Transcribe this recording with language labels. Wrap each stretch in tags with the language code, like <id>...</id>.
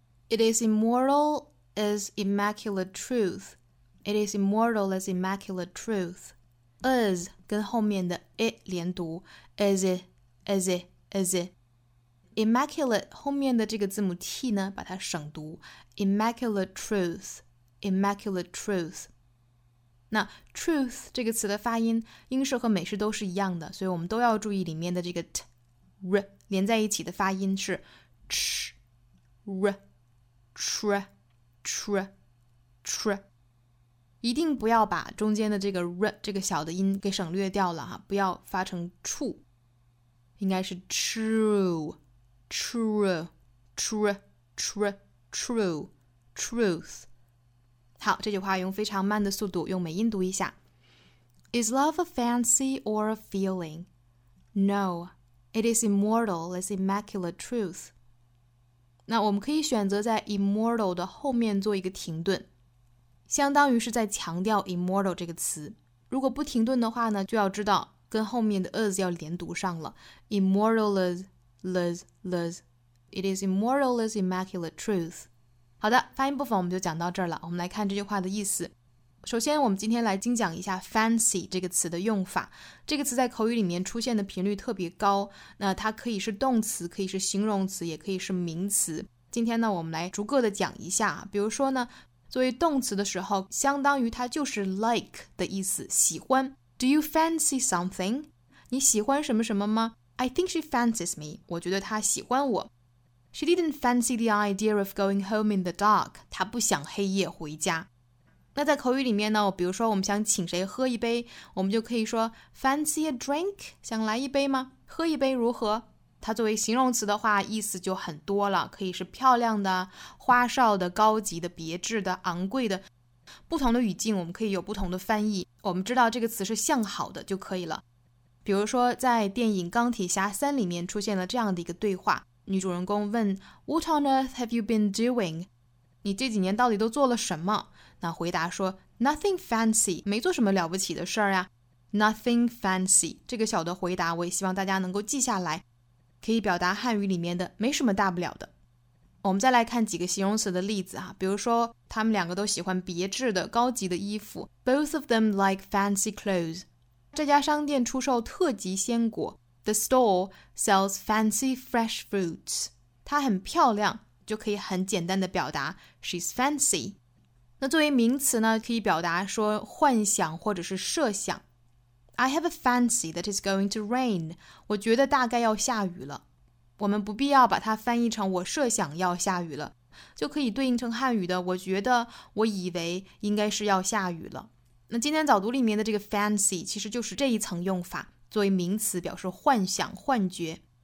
<en>It is immortal as immaculate truth. It is immortal as immaculate truth. As</en> <zh>跟后面的</zh> <en>it</en> <zh>连读</zh> <en>as it, as it, as it.</en> <zh>Immaculate 后面的这个字母 t 呢，把它省读</zh> <en>immaculate truth, immaculate truth.</en> <zh>那 truth 这个词的发音英式和美式都是一样的，所以我们都要注意里面的这个 t r 连在一起的发音是 ch r tr tr tr。一定不要把中间的这个 r 这个小的音给省略掉了哈，不要发成 true， 应该是 true true true true true truth。好，这句话用非常慢的速度用美音读一下。</zh> <en>Is love a fancy or a feeling? No, it is immortal, it's immaculate truth.</en> <zh>那我们可以选择在 immortal 的后面做一个停顿，相当于是在强调 immortal 这个词。如果不停顿的话呢，就要知道跟后面的 as 要连读上了。</zh> <en>Immortal is, is, is. It is immortal, it's immaculate truth.</en> <zh>好的，发音部分我们就讲到这儿了。我们来看这句话的意思。首先我们今天来精讲一下 fancy 这个词的用法。这个词在口语里面出现的频率特别高，那它可以是动词，可以是形容词，也可以是名词。今天呢我们来逐个的讲一下。比如说呢，作为动词的时候，相当于它就是 like 的意思，喜欢。</zh> <en>Do you fancy something?</en> <zh>你喜欢什么什么吗？</zh> <en>I think she fancies me.</en> <zh>我觉得她喜欢我。</zh> <en>She didn't fancy the idea of going home in the dark.</en> <zh>她不想黑夜回家。那在口语里面呢，比如说我们想请谁喝一杯，我们就可以说</zh> <en>fancy a drink?</en> <zh>想来一杯吗？喝一杯如何？它作为形容词的话，意思就很多了，可以是漂亮的、花哨的、高级的、别致的、昂贵的，不同的语境我们可以有不同的翻译。我们知道这个词是向好的就可以了。比如说在电影《钢铁侠3》里面出现了这样的一个对话，女主人公问</zh> <en>What on earth have you been doing?</en> <zh>你这几年到底都做了什么？那回答说</zh> <en>Nothing fancy,</en> <zh>没做什么了不起的事儿呀。</zh> <en>Nothing fancy,</en> <zh>这个小的回答我也希望大家能够记下来，可以表达汉语里面的没什么大不了的。我们再来看几个形容词的例子啊，比如说他们两个都喜欢别致的高级的衣服，</zh> <en>Both of them like fancy clothes.</en> <zh>这家商店出售特级鲜果，</zh> <en>The store sells fancy fresh fruits.</en> <zh>她很漂亮，就可以很简单的表达</zh> <en>She's fancy.</en> <zh>那作为名词呢，可以表达说幻想或者是设想，</zh> <en>I have a fancy that it's going to rain.</en> <zh>我觉得大概要下雨了。我们不必要把它翻译成我设想要下雨了，就可以对应成汉语的我觉得我以为应该是要下雨了。那今天早读里面的这个 fancy 其实就是这一层用法，作为名词表示幻想、幻觉。</zh>